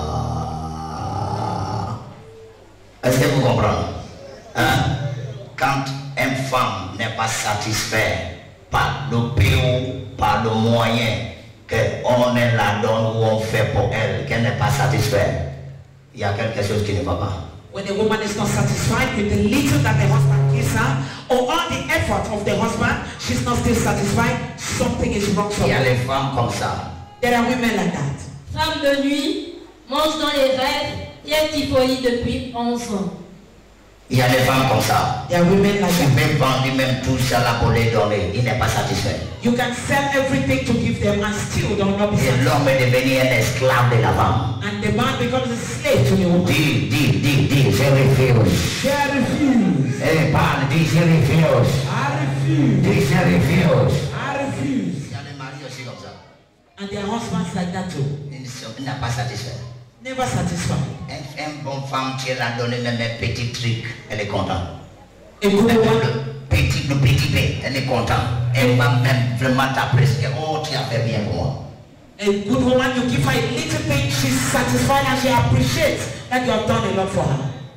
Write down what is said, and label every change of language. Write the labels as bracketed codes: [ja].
[fr] Ah. Est-ce que vous comprenez? Hein? Quand une femme n'est pas satisfaite par le pire, par le moyen qu'on est la donne ou on fait pour elle, qu'elle n'est pas satisfaite, il y a quelque chose qui ne va pas. [en] When a woman is not satisfied with the little that the husband gives her, or all the effort of the husband, she's not still satisfied, something is wrong. [fr] Il y a les femmes comme ça. [en] There are women like that. [fr] Femme de nuit, mange dans les rêves, tiens typhoïde depuis 11 ans. Il y a des femmes comme ça. [en] There are women like that. [fr] Tu peux vendre même tout ça là pour les donner. Il n'est pas satisfait. [en] You can sell everything to give them and still don't not be satisfied. [fr] Et l'homme est devenu un esclave de la femme. [en] And the man becomes a slave to the woman. [fr] Dis, je refuse. Je refuse. Eh, parle, dis, je refuse. [en] I refuse. [fr] Dis, je refuse. [en] I refuse. [fr] Il y a des maris aussi comme ça. [en] And there are husbands like that too. [fr] Il n'est pas satisfait. [en] Never satisfied. [fr] Un bon femme qui a donné même un petit truc, elle est contente. Et vous le petit, le petit peu, elle est contente. Elle m'a même vraiment apprécié. Oh, tu as fait bien pour moi. [en] A good woman, you give her a little bit, she's satisfied and she appreciates that you have done a lot for her.